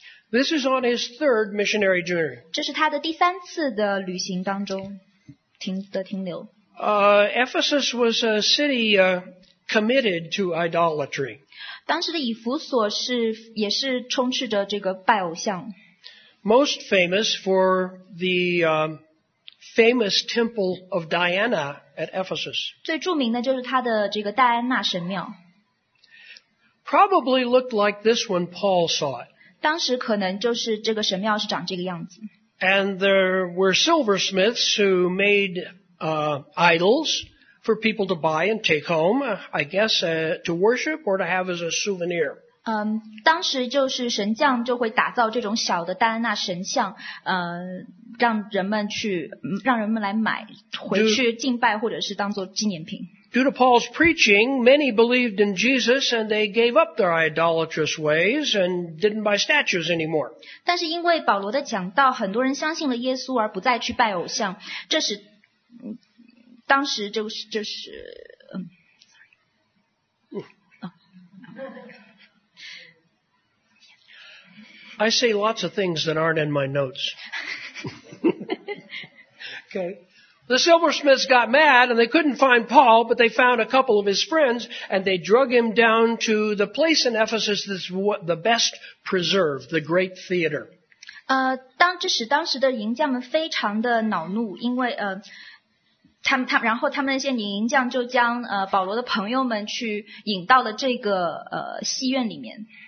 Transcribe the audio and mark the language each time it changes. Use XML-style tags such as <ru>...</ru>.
<en>This is on his third missionary journey.</en> <zh>这是他的第三次的旅行当中停留。</zh> <en>Ephesus was a city committed to idolatry.</en> <zh>当时的以弗所也是充斥着这个拜偶像。</zh> <en>Most famous for the famous temple of Diana at Ephesus.</en> <zh>最著名的就是他的这个戴安娜神庙。</zh> <en>Probably looked like this when Paul saw it.</en> <zh>当时可能就是这个神庙是长这个样子。</zh> <en>And there were silversmiths who made idols for people to buy and take home, I guess, to worship or to have as a souvenir.</en> <zh>当时就是神匠就会打造这种小的戴安娜神像，让人们来买回去敬拜或者是当做纪念品。</zh> <en>Due to Paul's preaching, many believed in Jesus and they gave up their idolatrous ways and didn't buy statues anymore.</en> <zh>但是因为保罗的讲道，很多人相信了耶稣而不再去拜偶像，这使当时就是就是</zh> <en>I say lots of things that aren't in my notes. Okay. The silversmiths got mad and they couldn't find Paul, but they found a couple of his friends and they drug him down to the place in Ephesus that's the best preserved, the Great Theater.</en> <zh>当时的银匠们非常的恼怒，因为然后他们那些银匠就将保罗的朋友们去引到了这个戏院里面。</zh>